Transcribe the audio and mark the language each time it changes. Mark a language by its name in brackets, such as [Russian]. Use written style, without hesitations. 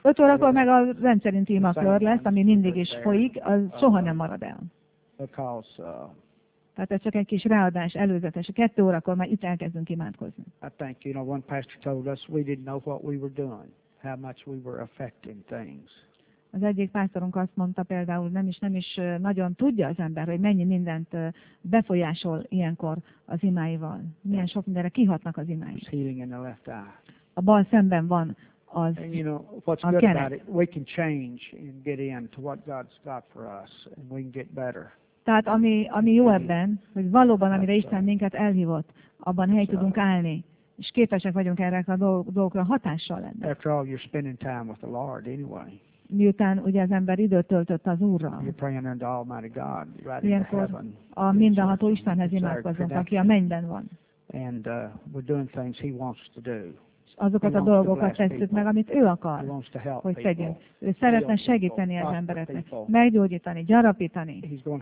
[Hungarian] 5 órakor meg a rendszerint imakör lesz, ami mindig is folyik, az soha nem marad el. [English] Because, [Hungarian] tehát ez csak egy kis ráadás, előzetes. 2 órakor már itt elkezdünk imádkozni. [English] I think, you know, one pastor told us we didn't know what we were doing. How much we were affecting things. [Hungarian] Az egyik pásztorunk azt mondta például, nem is nagyon tudja az ember, hogy mennyi mindent befolyásol ilyenkor az imáival. Milyen sok mindenre kihatnak az imáim. [English] It's healing in the left eye. [Hungarian] A bal szemben van az a keret. [English] And you know, what's good about it, we can change and get in to what God's got for us, and we can get better. [Hungarian] Tehát ami jó ebben, hogy valóban, amire Isten minket elhívott, abban helyt tudunk állni. És képesek vagyunk erre a dolgokra hatással lenni. [English] After all, you're spending time with the Lord anyway. [Hungarian] miután ugye az ember időt töltött az Úrral. [English] You're praying unto Almighty God, right? [Hungarian] Ilyenkor a mindenható Istenhez imádkozunk, aki a mennyben van. [English] And we're doing things He wants to do. [Hungarian] Azokat a dolgokat tesszük meg, amit ő akar, hogy tegyünk. Ő szeretne segíteni az embereknek, meggyógyítani, gyarapítani.